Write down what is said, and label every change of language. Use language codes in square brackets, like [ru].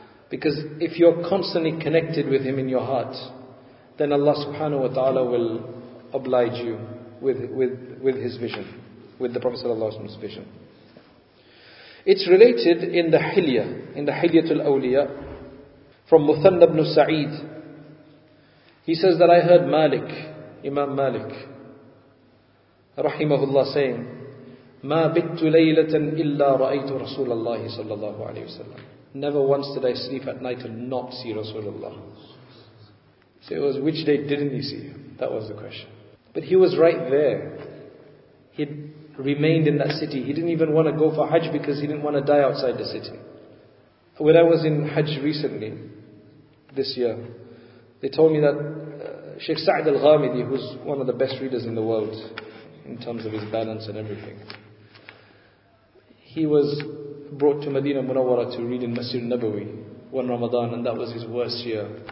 [en] Because if you're constantly connected with him in your heart, then Allah subhanahu wa ta'ala will oblige you with his vision, with the Prophet sallallahu alaihi wasallam's vision. It's related in the Hilya, in the Hilyatul Awliya, from Muthanna ibn Sa'id. He says that I heard Imam Malik, rahimahullah, saying, [ar] ما بت ليلة إلا رأيت رسول الله صلى الله عليه وسلم. [en] Never once did I sleep at night and not see Rasulullah. So it was, which day didn't he see? That was the question. But he was right there. He remained in that city. He didn't even want to go for Hajj because he didn't want to die outside the city. When I was in Hajj recently, this year, they told me that Sheikh Sa'd al-Ghamidi, who's one of the best readers in the world in terms of his balance and everything, he was brought to Medina Munawwara to read in Masjid Nabawi one Ramadan, and that was his worst year.